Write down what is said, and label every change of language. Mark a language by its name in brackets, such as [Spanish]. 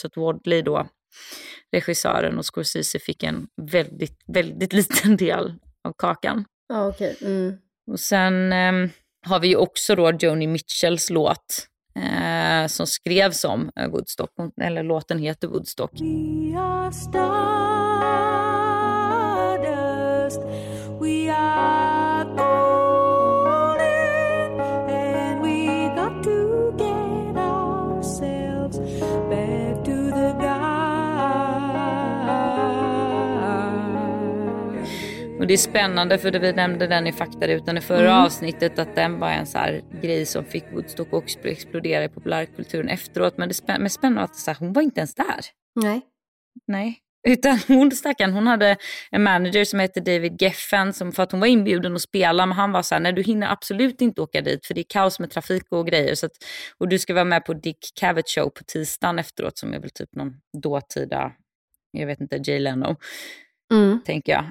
[Swedish] Så att Wadley då, regissören, och Scorsese fick en väldigt, väldigt liten del av kakan. Ja, okej. Och sen har vi ju också då Joni Mitchells låt som skrevs om Woodstock, eller låten heter Woodstock. [English] We are stardust, we are falling, and we got to get ourselves back to the guy. [Swedish] Och det är spännande, för det vi nämnde den i faktarutan i förra avsnittet, att den var en så här grej som fick Woodstock och explodera i populärkulturen efteråt. Men det är spännande att så här, hon var inte ens där. Nej. Nej. Utan hon, stackaren, hon hade en manager som hette David Geffen, som, för att hon var inbjuden att spela, men han var så här: nej, du hinner absolut inte åka dit, för det är kaos med trafik och grejer, så att, och du ska vara med på Dick Cavett show på tisdagen efteråt, som är väl typ någon dåtida, jag vet inte, Jay Leno, tänker jag.